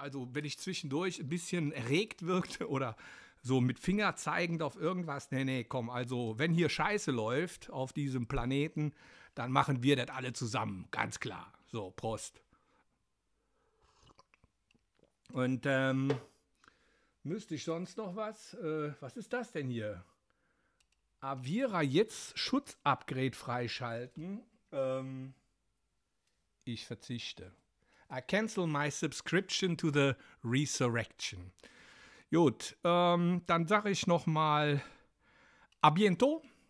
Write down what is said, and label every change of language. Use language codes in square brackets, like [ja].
[de] Also wenn ich zwischendurch ein bisschen erregt wirkte oder so mit Finger zeigend auf irgendwas, nee, komm, also wenn hier Scheiße läuft auf diesem Planeten, dann machen wir das alle zusammen, ganz klar. So, Prost. Und müsste ich sonst noch was? Was ist das denn hier? Avira jetzt Schutz-Upgrade freischalten. Ich verzichte. [en] I cancel my subscription to the Resurrection. [de] Gut, dann sage ich nochmal [fr] a biento.